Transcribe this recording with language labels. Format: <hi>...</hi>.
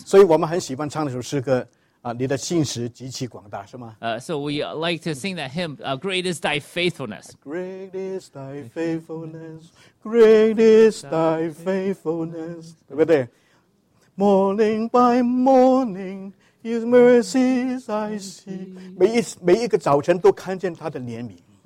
<zh>所以我们很喜欢唱那首诗歌,你的信实极其广大, 是吗?</zh> <en>So we like to sing that hymn, Great is Thy Faithfulness. Great is Thy Faithfulness, Great is Thy Faithfulness.</en> <zh>对不对?</zh> <en>Morning by morning, His mercies I see.</en> <zh>每一个早晨都看见他的怜悯。</zh>